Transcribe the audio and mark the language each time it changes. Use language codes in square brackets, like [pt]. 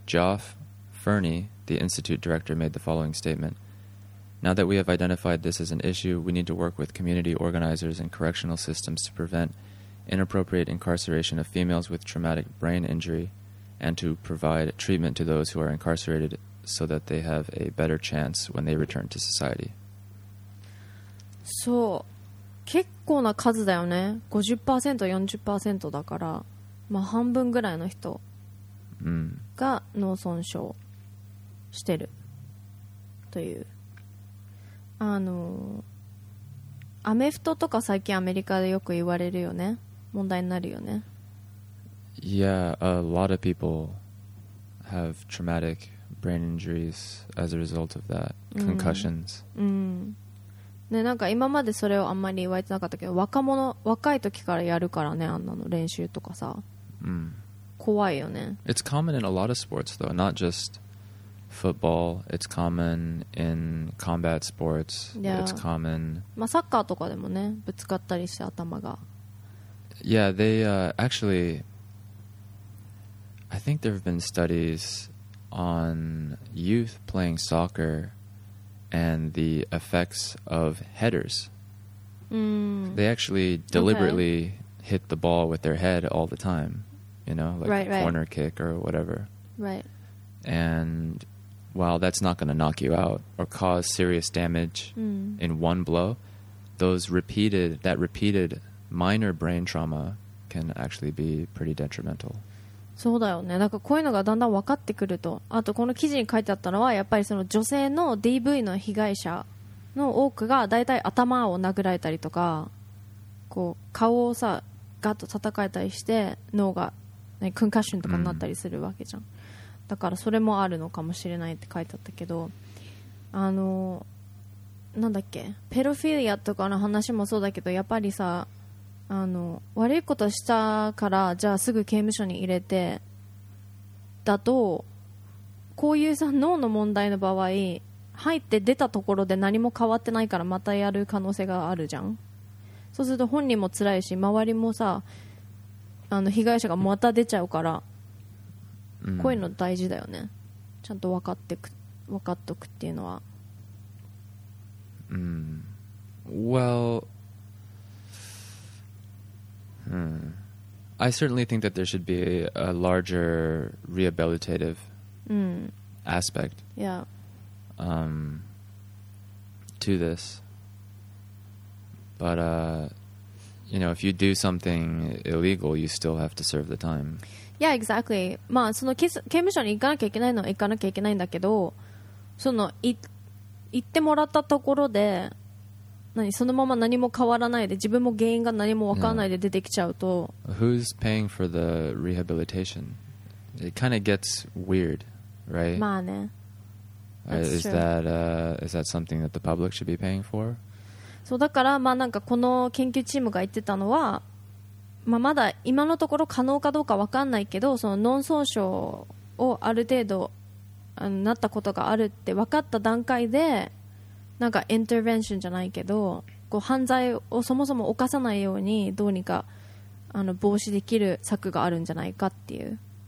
[en] Geoff Ferney, the institute director, made the following statement: "Now that we have identified this as an issue, we need to work with community organizers and correctional systems to prevent inappropriate incarceration of females with traumatic brain injury and to provide treatment to those who are incarcerated so that they have a better chance when they return to society." [ja] そう、結構な数だよね。 50%、40% だから、まあ、半分ぐらいの人が脳損傷してるという。あのアメフトとか最近アメリカでよく言われるよね。問題になるよね。 [en] Yeah, a lot of people have traumatic brain injuries as a result of that. Concussions. [ja] ね、なんか今までそれをあんまり言われてなかったけど、若い時からやるからね、あんなの練習とかさ、怖いよね。 [en] It's common in a lot of sports though, not justFootball, it's common in combat sports. Yeah. It's common. [ja] まあ、サッカーとかでもね、ぶつかったりして頭が。 [en] Yeah, they actually, I think there have been studies on youth playing soccer and the effects of headers. They actually deliberately hit the ball with their head all the time, you know, like corner kick or whatever. Right. And while that's not going to knock you out or cause serious damage in one blow, that repeated minor brain trauma can actually be pretty detrimental. [ja] そうだよね。だからこういうのがだんだん分かってくると、あとこの記事に書いてあったのは、やっぱりその女性の DV の被害者の多くがだいたい頭を殴られたりとか、こう顔をさガッと叩いたりして脳が、ね、クンカッションとかになったりするわけじゃん。だからそれもあるのかもしれないって書いてあったけど、あのなんだっけ、ペロフィリアとかの話もそうだけど、やっぱりさ、あの悪いことしたからじゃあすぐ刑務所に入れてだと、こういうさ脳の問題の場合、入って出たところで何も変わってないからまたやる可能性があるじゃん。そうすると本人も辛いし、周りもさ、あの被害者がまた出ちゃうから、こういうの大事だよね。ちゃんと分かっておくっていうのは。 [en] Well, I certainly think that there should be a larger rehabilitative aspect. Yeah. To this, but you know, if you do something illegal, you still have to serve the time. Yeah, exactly. [ja] まあ、その刑務所に行かなきゃいけないのは行かなきゃいけないんだけど、その行ってもらったところで何、そのまま何も変わらないで、自分も原因が何も分からないで出てきちゃうと、 [en] Who's paying for the rehabilitation? It kind of gets weird, right? [ja] まあね。 [en] Is that something that the public should be paying for? [ja] そうだから、まあ、なんかこの研究チームが言ってたのは、まあ、まだ今のところ可能かどうか分かんないけど、その脳損傷をある程度あのなったことがあるって分かった段階で、なんかインターベンションじゃないけど、こう犯罪をそもそも犯さないようにどうにかあの防止できる策があるんじゃないかっていう、